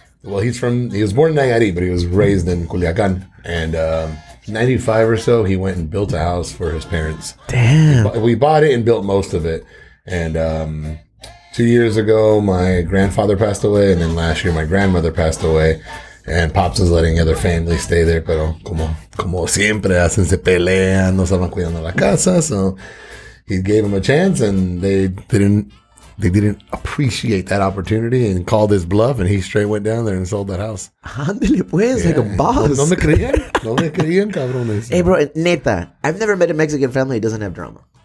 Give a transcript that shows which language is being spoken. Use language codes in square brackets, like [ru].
[en] Well, he was born in Nayarit, but he was raised in Culiacan. And 95 or so, he went and built a house for his parents. Damn. We bought it and built most of it. And 2 years ago, my grandfather passed away. And then last year, my grandmother passed away. And pops is letting other family stay there. [es] Pero como siempre, hacen se pelean, no estaban cuidando la casa. [en] So he gave him a chance, and they didn't appreciate that opportunity and called his bluff, and he straight went down there and sold that house. [es] Andale pues, [en] like a boss. [es] No me creían. No me creían, cabrones. [en] Hey, bro, neta, I've never met a Mexican family that doesn't have drama.